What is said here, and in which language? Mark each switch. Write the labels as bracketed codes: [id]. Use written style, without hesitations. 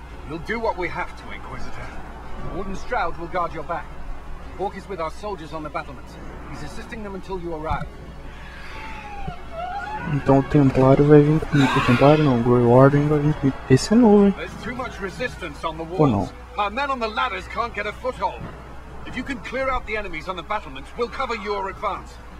[en] We'll do what we have to, Inquisitor. Warden Stroud will guard your back. Hawk is with our soldiers on the battlements. He's assisting them until you arrive. [pt] Então o Templário vai vir comigo. O Templário não, o Grey Warden vai vir comigo. Esse é novo, hein? [en] There's too much resistance on the walls. [pt] Pô, não. [en] Our men on the ladders can't get a foothold. If you can clear out the enemies on the battlements, we'll cover your advance.